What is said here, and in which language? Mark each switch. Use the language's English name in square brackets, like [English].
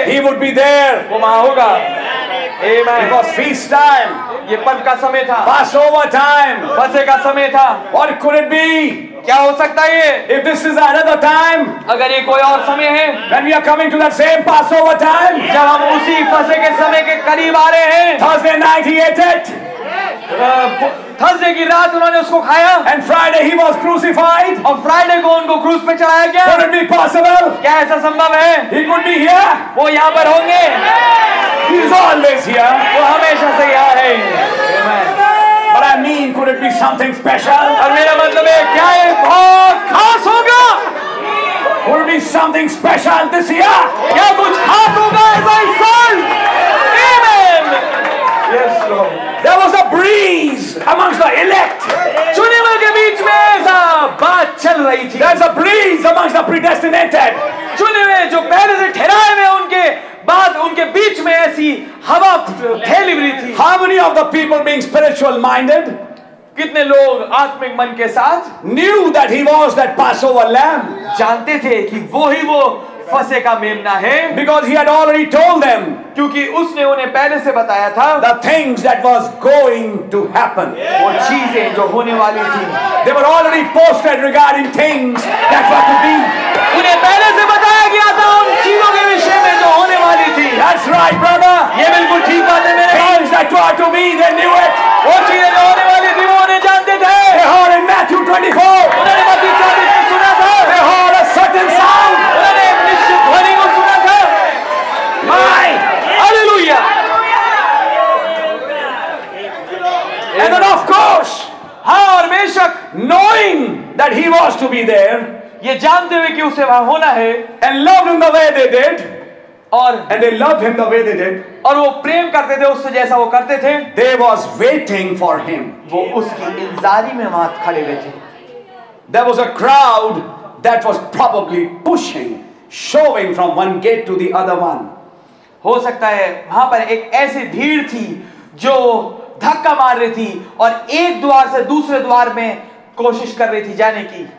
[English] He would be there. [Hindi] वो वहाँ होगा. Amen. [English] It was feast time. [Hindi] ये पर्व का समय था. [English] Passover time. [Hindi] फसे का समय था. [English] What could it be? [Hindi] क्या हो सकता है? [English] If this is another time. [Hindi] अगर ये कोई और समय है. [English] When we are coming to that same Passover time. [Hindi] जब हम उसी फसे के समय के करीब आ रहे हैं. [English] Thursday night he ate it. [Hindi] Thursday की रात उन्होंने उसको खाया. [English] And Friday he was crucified. [Hindi] और फ्राइडे को उनको क्रूस पे चढ़ाया गया. [English] Could it be possible? [Hindi] क्या ऐसा संभव है? [English] He could be here. [Hindi] वो यहाँ पर होंगे. [English] He's always here. [Hindi] वो हमेशा से यहाँ है. [English] But I mean, could it be something special? [Hindi] और मेरा मतलब है क्या ये बहुत खास होगा? [English] Could it be something special this year? [Hindi] क्या कुछ खास होगा इस साल? Amen. [English] Yes, Lord. There was a breeze amongst the elect. [Hindi] चुने हुए के बीच में ऐसा बात चल रही थी. [English] There's a breeze amongst the predestinated. [Hindi] चुने हुए जो पहले से ठहराए हुए उनके बाद उनके बीच में ऐसी हवा फैली हुई थी. [English] How many of the people being spiritual minded? [Hindi] कितने लोग आत्मिक मन के साथ? [English] Knew that he was that Passover lamb. [Hindi] जानते थे कि वो ही वो फसे का मेमना है. [English] Because he had already told them. [Hindi] क्योंकि उसने उन्हें पहले से बताया था. [English] The things that was going to happen. [Hindi] वो चीजें जो होने वाली थी. [English] They were already posted regarding things that were to be. [Hindi] उन्हें पहले से बताया गया था उन चीजों के विषय में जो होने वाली थी. [English] That's right, brother. [Hindi] ये बिल्कुल ठीक बात है मेरे. [English] Things that were to be, they knew it. [Hindi] वो चीजें जो होने वाली थी वो उन्हें जानते थे. [English] They heard in Matthew 24. [Hindi] उन्होंने मत्ती 24 में सुना था. [English] They heard a certain sound. [Hindi] उन्होंने एक निश्चित ध्वनि को सुना था. [English] My. Hallelujah. And then of course. [Hindi] और बेशक [English] knowing that he was to be there, [Hindi] ये जानते हुए कि उसे वहां होना है, [English] and loved him the way they did, [Hindi] और [English] and they loved him the way they did, [Hindi] और वो प्रेम करते थे उससे जैसा वो करते थे, [English] they was waiting for him, [Hindi] वो उसकी इंतजारी में वहां खड़े हुए थे. [English] There was a crowd that was probably pushing, showing from one gate to the other one. [Hindi] हो सकता है वहां पर एक ऐसी भीड़ थी जो धक्का मार रही थी और एक द्वार से दूसरे द्वार में कोशिश कर रही थी जाने की.